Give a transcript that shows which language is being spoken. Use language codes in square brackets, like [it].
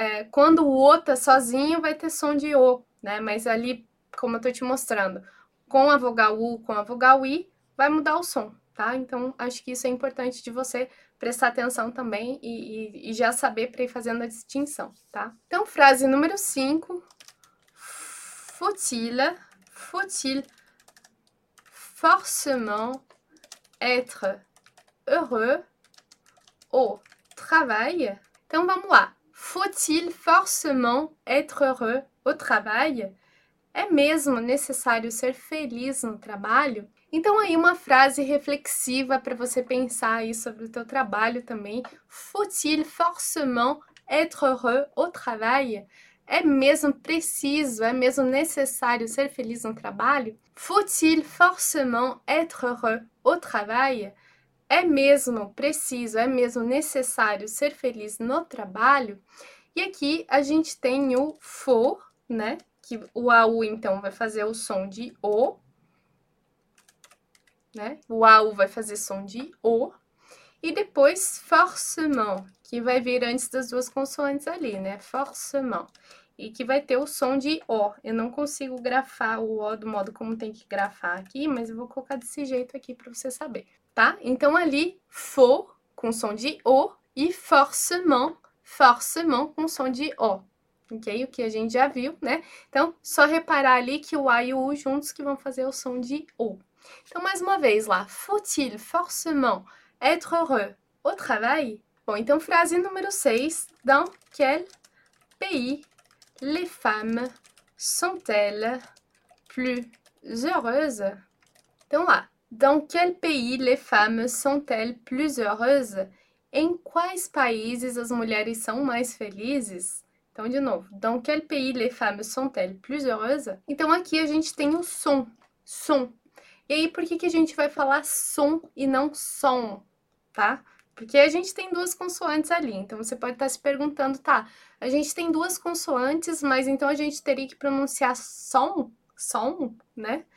[pt] Quando o O tá sozinho, vai ter som de O, né? Mas ali, como eu tô te mostrando, com a vogal U, com a vogal I, vai mudar o som, tá? Então, acho que isso é importante de você prestar atenção também e já saber para ir fazendo a distinção, tá? Então, frase número 5. [fr] Faut-il forcément être heureux au travail? [pt] Então, vamos lá. [fr] Faut-il forcément être heureux au travail? [pt] É mesmo necessário ser feliz no trabalho? Então, aí, uma frase reflexiva para você pensar aí sobre o teu trabalho também. [fr] Faut-il forcément être heureux au travail? [pt] É mesmo preciso, é mesmo necessário ser feliz no trabalho? [fr] Faut-il forcément être heureux au travail? [pt] É mesmo preciso, é mesmo necessário ser feliz no trabalho? E aqui a gente tem o for, né? Que o AU então vai fazer o som de O, né? O AU vai fazer som de O. E depois, forcément, que vai vir antes das duas consoantes ali, né? Forcément. E que vai ter o som de O. Eu não consigo grafar o O do modo como tem que grafar aqui, mas eu vou colocar desse jeito aqui para você saber. Tá? Então, ali, faut com som de O e forcément, forcément com som de O. Ok? O que a gente já viu, né? Então, só reparar ali que o A e o U juntos que vão fazer o som de O. Então, mais uma vez lá. [fr] Faut-il forcément être heureux au travail? [pt] Bom, então, frase número 6. [fr] Dans quel pays les femmes sont-elles plus heureuses? [pt] Então, lá. [fr] Dans quel pays les femmes sont-elles plus heureuses? [pt] Em quais países as mulheres são mais felizes? Então, de novo, [fr] dans quel pays les femmes sont-elles plus heureuses? [pt] Então, aqui a gente tem o som, som. E aí, por que que a gente vai falar som e não som, tá? Porque a gente tem duas consoantes ali. Então, você pode estar se perguntando, tá, a gente tem duas consoantes, mas então a gente teria que pronunciar som, som, né?